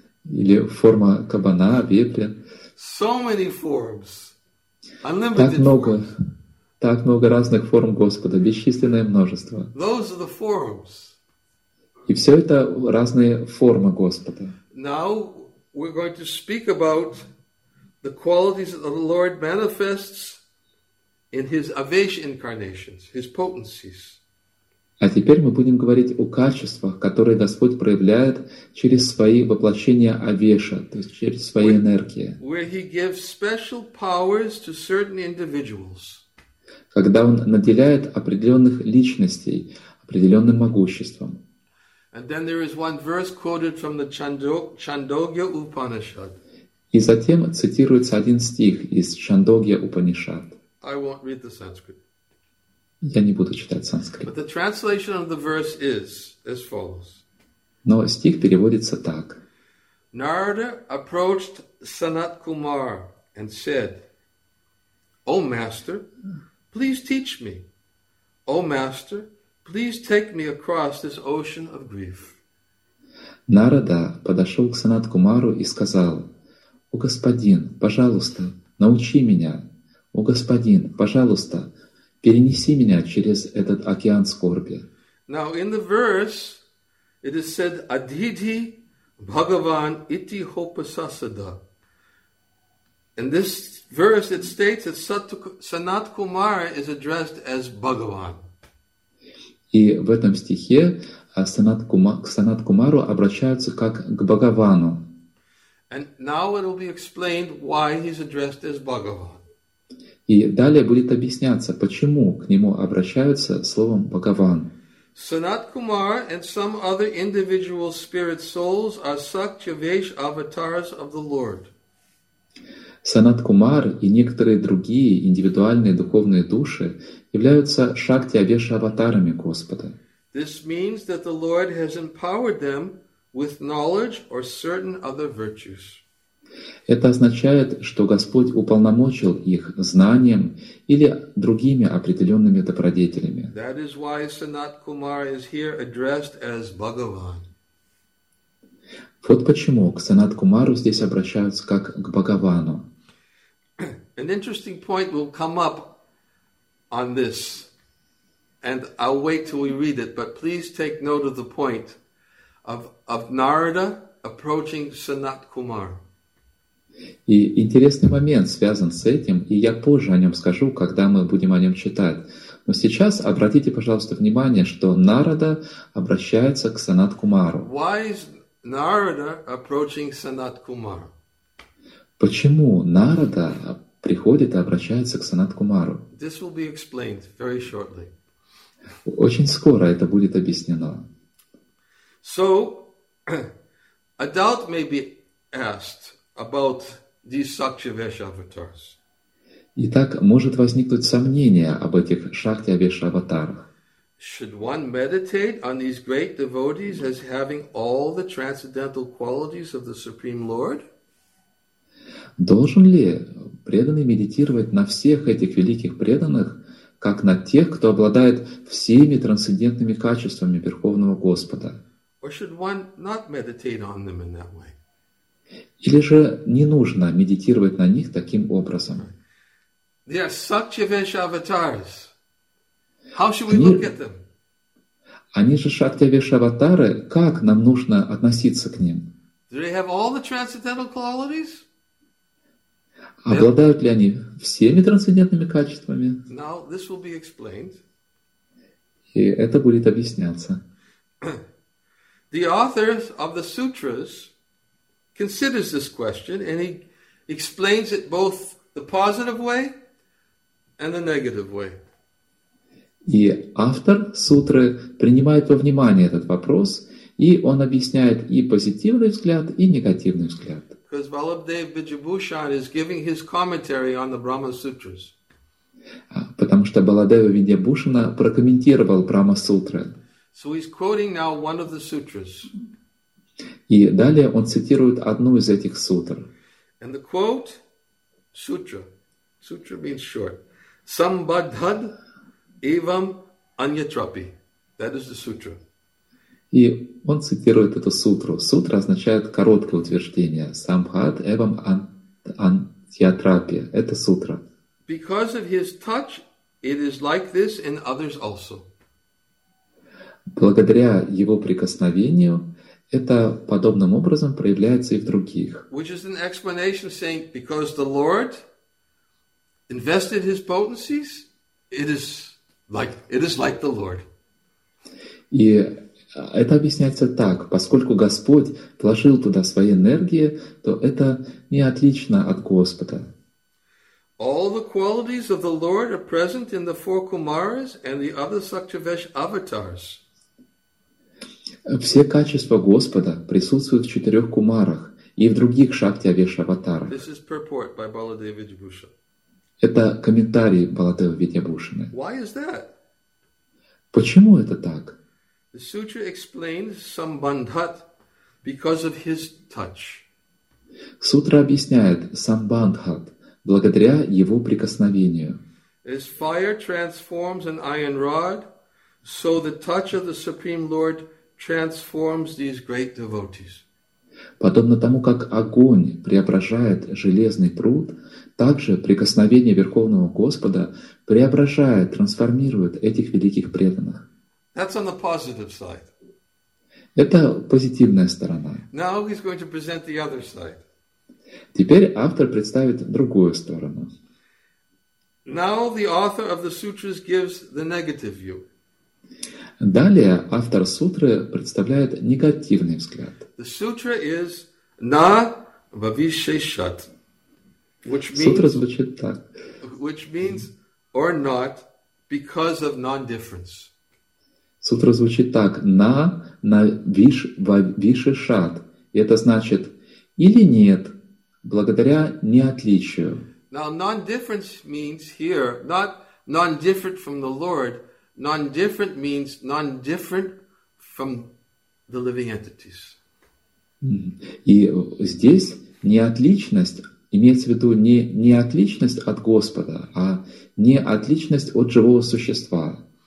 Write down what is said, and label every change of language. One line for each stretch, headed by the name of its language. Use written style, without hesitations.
Russian: Или форма кабана, вепря.
English: So many forms. Unlimited
Russian: так много
English: forms.
Russian: Так много разных форм Господа, бесчисленное множество.
English: Those are the forms.
Russian: И все это разные формы Господа.
English: Now we're going to speak about the qualities that the Lord manifests in his avesh incarnations, his potencies.
Russian: А теперь мы будем говорить о качествах, которые Господь проявляет через свои воплощения Авеша, то есть через свои энергии.
English: Where he gives special powers to certain individuals.
Russian: Когда Он наделяет определенных личностей определенным могуществом.
English: And then there is one verse quoted from the Chandogya Upanishad.
Russian: И затем цитируется один стих из Чандогья Упанишад.
English: I won't read the Sanskrit.
Russian: Я не буду читать санскрит.
English: But the translation of the verse is as follows.
Russian: Но стих переводится так.
English: Narada approached Sanat Kumar and said, O master, please teach me. O master, please take me across this ocean of grief.
Russian: Нарада подошел к Санат Кумару и сказал, О господин, пожалуйста, научи меня. О господин, пожалуйста, перенеси меня через этот океан скорби.
English: Now in the verse it is said
Sanskrit: Adhidhi Bhagavan Iti Hopasasada.
English: In this verse it states that Sanat Kumara is addressed as Bhagavan.
Russian: И в этом стихе к Санат Кумару обращаются как к Бхагавану.
English: And now it will be explained why he's addressed as Bhagavan.
Russian: И далее будет объясняться, почему к нему обращаются словом «Бхагаван».
English: Sanat Kumar and some other individual spirit souls are Sakyavesh avatars of the Lord.
Russian: Sanat Kumar и некоторые другие индивидуальные духовные души являются Шакти-Авеш аватарами Господа.
English: This means that the Lord has empowered them with knowledge or certain other virtues.
Russian: Это означает, что Господь уполномочил их знанием или другими определенными добродетелями.
English: That is why Sanat Kumar is here addressed as Bhagavan.
Russian: Вот почему к Санат Кумару здесь обращаются как к Бхагавану.
English: An interesting point will come up on this, and I'll wait till we read it, but please take note of the point of Narada approaching Sanat Kumar.
Russian: И интересный момент связан с этим, и я позже о нем скажу, когда мы будем о нем читать. Но сейчас обратите, пожалуйста, внимание, что Нарада обращается к Санат Кумару.
English: Why is Narada approaching Sanat Kumar?
Russian: Почему Нарада приходит и обращается к Санат Кумару?
English: This will be explained very shortly.
Russian: Очень скоро это будет объяснено.
English: So, a doubt may be asked about these Sakyavesh avatars.
Russian: Итак, может возникнуть сомнение об этих Шакти-Авеш аватарах.
English: Should one meditate on these great devotees as having all the transcendental qualities of the Supreme Lord?
Russian: Должен ли преданный медитировать на всех этих великих преданных, как на тех, кто обладает всеми трансцендентными качествами Верховного Господа?
English: Or should one not meditate on them in that way?
Russian: Или же не нужно медитировать на них таким образом?
English: They are Satyavesha avatars. How should we look at them?
Russian: Они же Шактивеша аватары. Как нам нужно относиться к ним?
English: Do they have all the transcendental qualities?
Russian: Обладают ли они всеми трансцендентными качествами?
English: Now this will be explained.
Russian: И это будет объясняться.
English: The author of the sutras considers this question and he explains it both the positive way and the negative way.
Russian: И автор сутры принимает во внимание этот вопрос, и он объясняет и позитивный взгляд, и негативный взгляд.
English: Because Vallabhdev Vidyabhushan is giving his commentary on the Brahma Sutras.
Russian: Потому что Баладева Видьябушана прокомментировал Брахма Сутры.
English: So he's quoting now one of the sutras.
Russian: И далее он цитирует одну из этих сутр.
English: And the quote, sutra. Sutra means short.
Sanskrit: Sambadhad evam anyatrapi.
English: That is the sutra.
Russian: И он цитирует эту сутру. Сутра означает короткое утверждение.
Sanskrit: Самбхад эвам антьятрапи.
Russian: Это сутра.
English: Because of his touch, it is like this in others also.
Russian: Благодаря его прикосновению, это подобным образом проявляется и в других.
English: Which is an explanation saying, because the Lord invested his potencies, it is like the Lord.
Russian: И это объясняется так. Поскольку Господь вложил туда свои энергии, то это не отлично от Господа.
English: All the qualities of the Lord are present in the four Kumaras and the other Satyavesh avatars.
Russian: Все качества Господа присутствуют в четырех кумарах и в других Шактивеш аватарах.
English: This is purport by Baladeva Vidyabhushan.
Russian: Это комментарий Баладева Видьябушана.
English: Why is that?
Russian: Почему это так?
English: The sutra explains sambandhat because of his touch.
Russian: Сутра объясняет sambandhat благодаря его прикосновению.
English: As fire transforms an iron rod, so the touch of the Supreme Lord transforms these great devotees.
Russian: Подобно тому, как огонь преображает железный пруд, также прикосновение Верховного Господа преображает, трансформирует этих великих преданных.
English: That's on the positive side.
Russian: Это позитивная сторона.
English: Now he's going to present the other side.
Russian: Теперь автор представит другую сторону.
English: Now the author of the sutras gives the negative view.
Russian: Далее автор сутры представляет негативный взгляд.
English: The sutra is na vavisheshat, which means,
Russian: сутра звучит так.
English: Which means or not because of non-difference.
Russian: Сутра звучит так:
Sanskrit: на виш ва виши шат.
Russian: И это значит или нет, благодаря неотличию.
English: Now non-difference means here not non-different from the Lord. Non-different means non-different from the living entities.
Russian: И здесь неотличность имеется в виду не неотличность от Господа, а неотличность от живого существа.